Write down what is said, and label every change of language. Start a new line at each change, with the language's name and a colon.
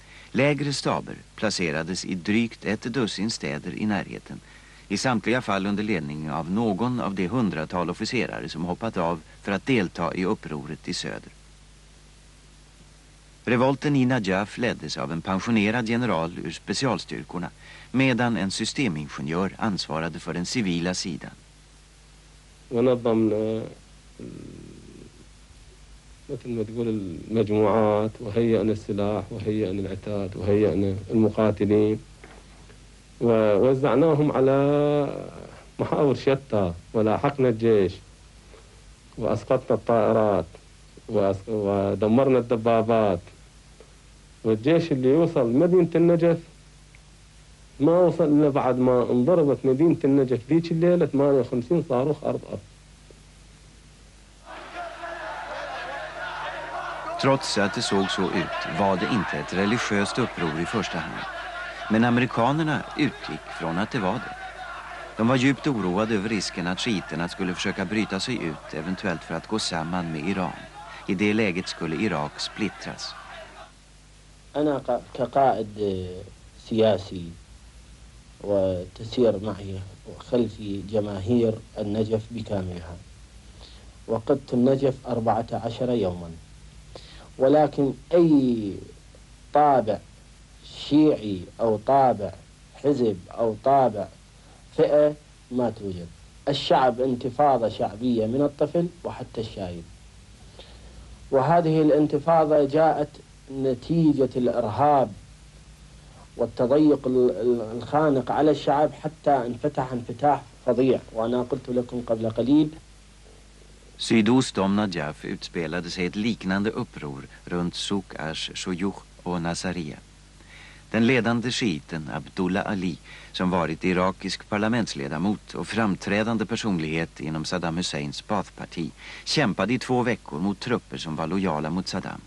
Swedish: Lägre staber placerades i drygt ett dussin städer i närheten, i samtliga fall under ledning av någon av de hundratal officerare som hoppat av för att delta i upproret i söder. Revolten i Najaf leddes av en pensionerad general ur specialstyrkorna, medan en systemingenjör ansvarade för den civila sidan. En av de
Arabic: ووزعناهم على محاور شتى ولاحقنا الجيش وأسقطنا الطائرات ودمرنا الدبابات والجيش اللي وصل مدينة النجف ما وصل إلا بعد ما انضربت مدينة النجف ذيك الليلة 58 صاروخ أرض أرض.
Swedish: Trots att det såg så ut var det inte ett religiöst uppror i första hand. Men amerikanerna utgick från att det var det. De var djupt oroade över risken att shiiterna skulle försöka bryta sig ut, eventuellt för att gå samman med Iran. I det läget skulle Irak splittras.
Arabic: انا كقائد سياسي وتسير معي وخلفي جماهير النجف بكاملها وقدت النجف 14 يوما ولكن اي طابع شيعي او طابع حزب او طابع فئه ما توجد الشعب انتفاضه شعبيه من الطفل وحتى الشايب وهذه الانتفاضه جاءت نتيجة الإرهاب والتضيق الخانق على الشعب حتى انفتح انفتاح فظيع وأنا قلت لكم قبل قليل
Swedish: Sydost om Najaf utspelade sig ett liknande uppror runt Souk Ash Shujuh och Nasaria. Den ledande shiiten Abdullah Ali, som varit irakisk parlamentsledamot och framträdande personlighet inom Saddam Husseins Baath-parti, kämpade i 2 veckor mot trupper som var lojala mot Saddam.